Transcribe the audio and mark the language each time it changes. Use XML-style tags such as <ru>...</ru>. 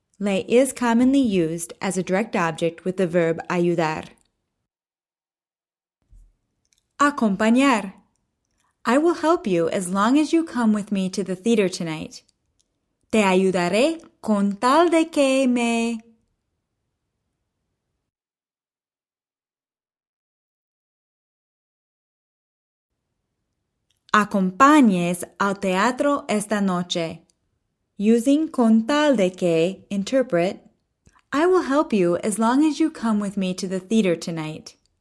<en>Le is commonly used as a direct object with the verb ayudar. Acompañar. I will help you as long as you come with me to the theater tonight.</en> <es>Te ayudaré con tal de que me acompañes al teatro esta noche.</es> <en>Using</en> <es>con tal de que,</es> <en>interpret, I will help you as long as you come with me to the theater tonight.</en>